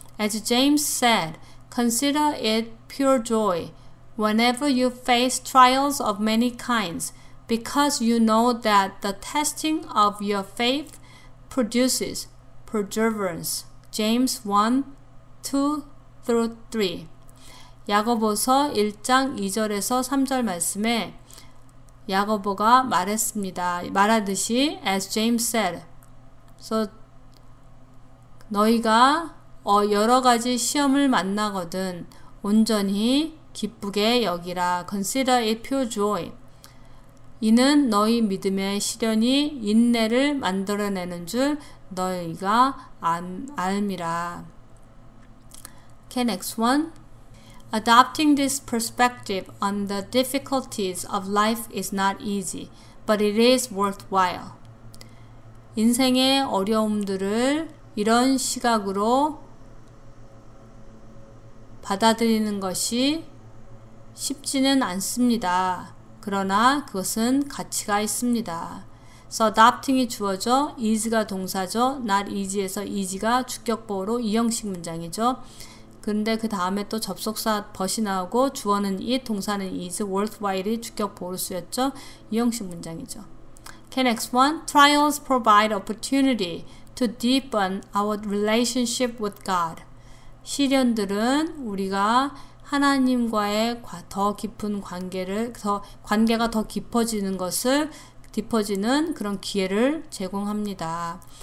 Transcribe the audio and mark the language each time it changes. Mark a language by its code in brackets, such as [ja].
[en] As James said, consider it pure joy whenever you face trials of many kinds because you know that the testing of your faith produces perseverance. James 1:2-3. [ko] 야고보서 1장 2절에서 3절 말씀에 야고보가 말했습니다. 말하듯이 [en] as James said. So [ko] 너희가 여러 가지 시험을 만나거든 온전히 기쁘게 여기라. [en] Consider it pure joy. [ko] 이는 너희 믿음의 시련이 인내를 만들어내는 줄 너희가 알미라. [en] Okay, next one. Adopting this perspective on the difficulties of life is not easy, but it is worthwhile. [ko] 인생의 어려움들을 이런 시각으로 받아들이는 것이 쉽지는 않습니다. 그러나 그것은 가치가 있습니다. So adopting이 주어져 is가 동사죠. not easy에서 easy가 주격보호로 이형식 문장이죠. 그런데 그 다음에 또 접속사 but이 나오고 주어는 it, 동사는 is, worthwhile이 주격보호로 쓰였죠. 이형식 문장이죠. [en] Okay, next one. Trials provide opportunity to deepen our relationship with God. [ko] 시련들은 우리가 하나님과의 더 깊은 관계를 더 관계가 더 깊어지는 것을 깊어지는 그런 기회를 제공합니다.